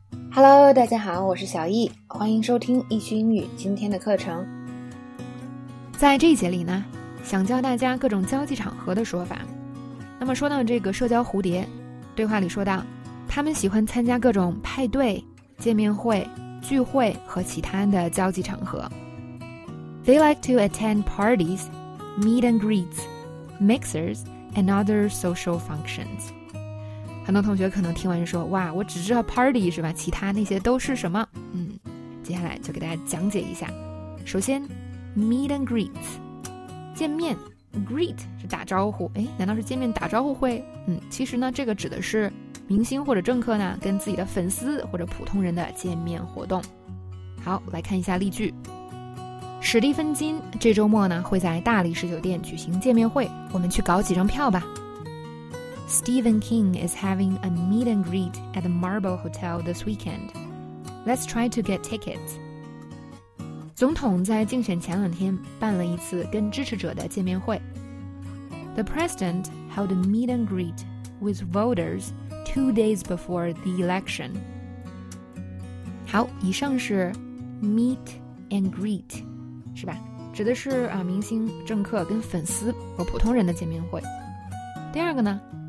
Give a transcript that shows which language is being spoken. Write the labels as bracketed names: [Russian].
[Chinese] Hello， 大家好，我是小易，欢迎收听易趣英语今天的课程。在这一节里呢，想教大家各种交际场合的说法。那么说到这个社交蝴蝶，对话里说到，他们喜欢参加各种派对、见面会、聚会和其他的交际场合。 [English] They like to attend parties, meet and greets, mixers, and other social functions. [Chinese] 很多同学可能听完说，哇，我只知道 party 是吧，其他那些都是什么？接下来就给大家讲解一下。首先 meet and greet， 见面， greet 是打招呼，哎，难道是见面打招呼会？其实呢，这个指的是明星或者政客呢跟自己的粉丝或者普通人的见面活动。好，来看一下例句。史蒂芬金这周末呢会在大力士酒店举行见面会，我们去搞几张票吧。 [English] Stephen King is having a meet and greet at the Marble Hotel this weekend. Let's try to get tickets. [Chinese] 总统在竞选前两天办了一次跟支持者的见面会。 [English] The president held a meet and greet with voters 2 days before the election. [Chinese] 好，以上是 meet and greet， 是吧？指的是明星、政客跟粉丝和普通人的见面会。第二个呢？